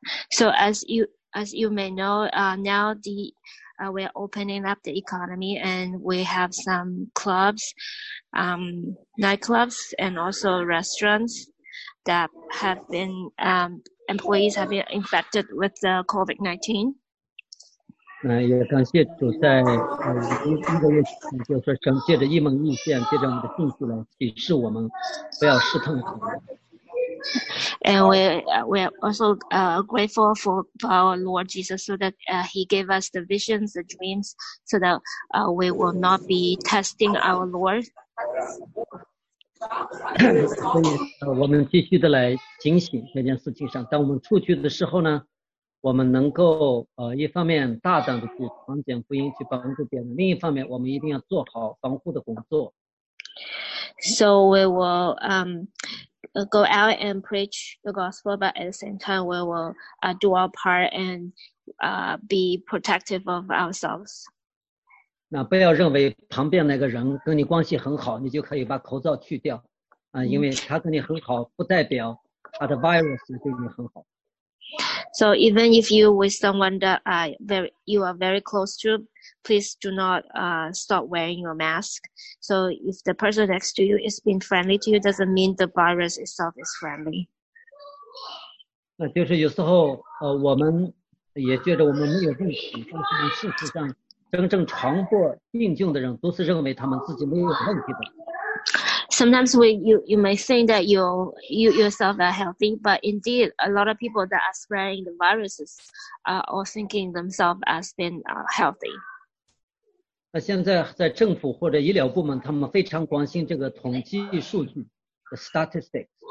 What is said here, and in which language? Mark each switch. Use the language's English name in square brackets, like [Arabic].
[English] So as you may know, now the we're opening up the economy and we have some clubs, nightclubs and also restaurants that have been, employees have been infected with the COVID-19. [Chinese] 也感谢主在一个月前就是整借着一门一线借着我们的信息来启示我们不要试探他们。 [English] And we're also grateful for our Lord Jesus so that he gave us the visions, the dreams, so that we will not be testing our Lord. [Chinese] 所以我们继续的来警醒这件事情上，当我们出去的时候呢，我们能够一方面大胆的去传讲福音去帮助别人，另一方面我们一定要做好防护的工作。 [English] So we will go out and preach the gospel, but at the same time, we will do our part and be protective of ourselves. [Chinese] 那不要认为旁边那个人跟你关系很好，你就可以把口罩去掉因为他跟你很好，不代表他的 virus 对你很好。 [English] So even if you with someone that you are very close to, please do not stop wearing your mask. So if the person next to you is being friendly to you, doesn't mean the virus itself is friendly. [Chinese] 那就是有时候我们也觉得我们没有问题，但是事实上真正传播病菌的人都是认为他们自己没有问题的。 [English] Sometimes you may think that you yourself are healthy, but indeed, a lot of people that are spreading the viruses are all thinking themselves as being healthy. [Chinese] 那现在在政府或者医疗部门，他们非常关心这个统计数据 ， [English] the statistics.